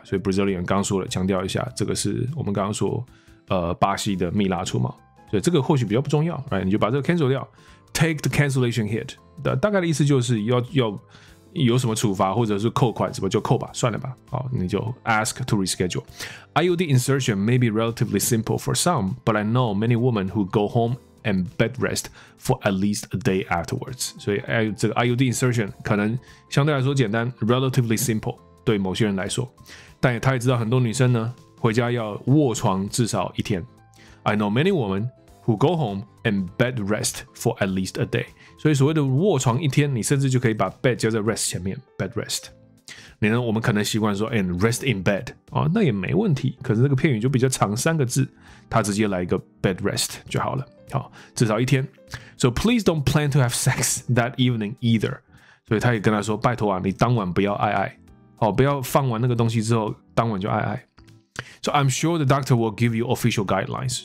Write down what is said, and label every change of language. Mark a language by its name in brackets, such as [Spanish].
[Chinese] 所以 Brazilian 刚说了，强调一下，这个是我们刚刚说巴西的蜜蜡出毛，所以这个或许比较不重要， right? 你就把这个 cancel 掉 ， [English] take the cancellation hit。 [Chinese] 大概的意思就是要。有什么处罚或者是扣款什么就扣吧，算了吧。好，你就 [English] ask to reschedule. IUD insertion may be relatively simple for some, but I know many women who go home and bed rest for at least a day afterwards. [Chinese] 所以这个 IUD insertion 可能相对来说简单 ， [English] relatively simple [Chinese] 对某些人来说，但他也知道很多女生呢回家要卧床至少一天。 [English] I know many women who go home and bed rest for at least a day. [Chinese] 所以所谓的卧床一天，你甚至就可以把 bed 加在 rest 前面 ，bed rest。你呢？我们可能习惯说 [English] and rest in bed [Chinese] 啊、哦，那也没问题。可是这个片语就比较长，三个字，它直接来一个 bed rest 就好了。好、哦，至少一天。 [English] So please don't plan to have sex that evening either。 [Chinese] 所以他也跟他说，拜托啊，你当晚不要爱爱哦，不要放完那个东西之后，当晚就爱爱。 [English] So I'm sure the doctor will give you official guidelines。